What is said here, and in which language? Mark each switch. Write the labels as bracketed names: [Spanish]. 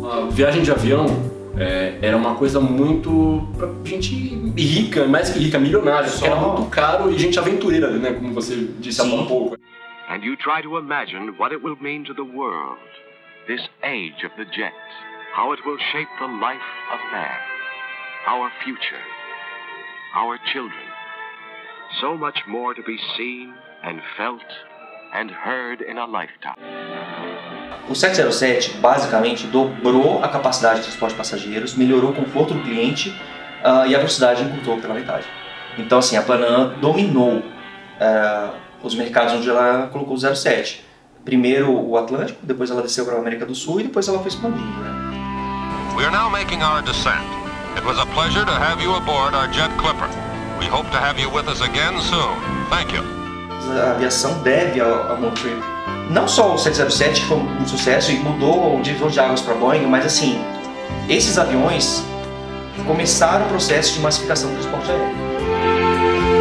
[Portuguese] viagem de avião era uma coisa muito pra gente rica, mais que rica, milionária, porque era muito caro e gente aventureira, né, como você disse há um pouco. [English] And you try to imagine what it will mean to the world, this age of the jet, how it will shape the life of man, our future, our children. So much more to be seen and felt and heard in a lifetime. [Portuguese] O 707 basicamente dobrou a capacidade de transporte de passageiros, melhorou o conforto do cliente e a velocidade encurtou pela metade. Então assim, a Pan Am dominou os mercados onde ela colocou o 07. Primeiro o Atlântico, depois ela desceu para a América do Sul e depois ela foi expandindo. Né? [English] We are now making our descent. It was a pleasure to have you aboard our Jet Clipper. We hope to have you with us again soon. Thank you. [Portuguese] A aviação deve a Moncrief. Não só o 707, que foi um sucesso e mudou o divisor de águas para a Boeing, mas assim, esses aviões começaram o processo de massificação do transporte aéreo.